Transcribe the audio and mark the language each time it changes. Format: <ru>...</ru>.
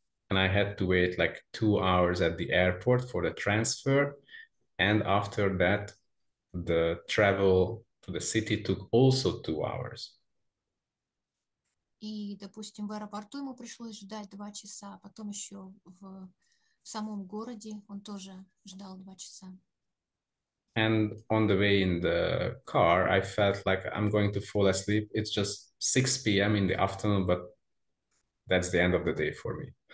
<en>And I had to wait like 2 hours at the airport for the transfer, and after that, the travel to the city took also 2 hours.</en> <ru>И, допустим, в аэропорту ему пришлось ждать 2 часа, а потом еще в самом городе он тоже ждал 2 часа.</ru> <en>And on the way in the car, I felt like I'm going to fall asleep. It's just 6 p.m. in the afternoon, but that's the end of the day for me.</en>